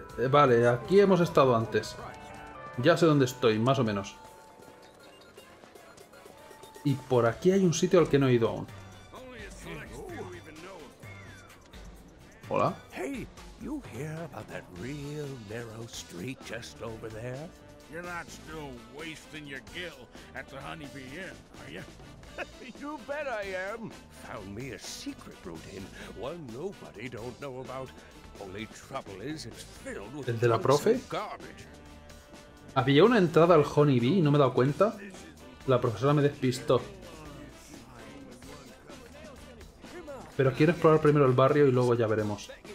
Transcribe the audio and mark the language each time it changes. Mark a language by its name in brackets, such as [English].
[Spanish] Vale, aquí hemos estado antes. Ya sé dónde estoy, más o menos. Y por aquí hay un sitio al que no he ido aún. Hola. [English] Hey, you hear about that real narrow street just over there? You're not still wasting your gill at the Honeybee Inn, are you? You bet I am. Found me a secret route in, one nobody don't know about. Only trouble is it's filled with garbage. [Spanish] Había una entrada al Honeybee y no me he dado cuenta. La profesora me despistó. Pero quiero explorar primero el barrio y luego ya veremos.